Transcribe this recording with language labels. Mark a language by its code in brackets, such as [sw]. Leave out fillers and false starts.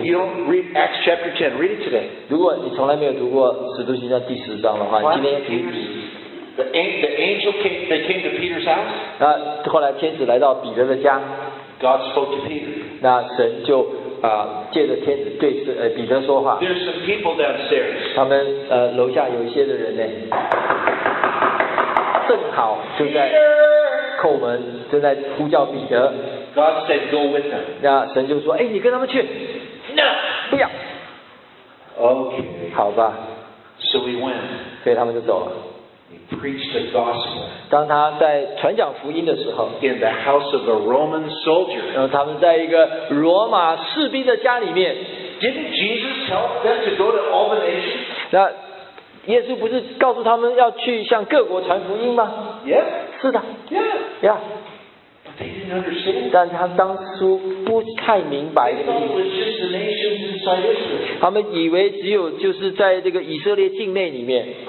[en] If you don't read Acts chapter 10, read it today. [zh] 如果你从来没有读过《使徒行传》第十章的话，今天读。 [en] The angel came. They came to Peter's house. [zh] 那后来天使来到彼得的家。 [en] God spoke to Peter. [zh] 那神就借着天使对彼得说话。 [en] There's some people downstairs. [zh] 他们楼下有一些的人呢，正好就在。叩门，正在呼叫彼得。 [en] God said, "Go with them." [zh] 那神就说：“你跟他们去。 [en] ”No, [zh] 不要。 [en] Okay. [zh] 好吧。 [en] So we went. [zh] 所以他们就走了。 [en] He preached the gospel. [zh] 当他在传讲福音的时候 [en] ，in the house of a Roman soldier. [zh] 然后他们在一个罗马士兵的家里面。 [en] Didn't Jesus tell them to go to all the nations? [zh] 那耶稣不是告诉他们要去向各国传福音吗 [en] ？Yeah. [zh] 是的。 [en] Yeah. Yeah. But they didn't understand. [zh] 但他当初不太明白。 [en] They thought it was just the nations inside Israel. [zh] 他们以为只有就是在这个以色列境内里面。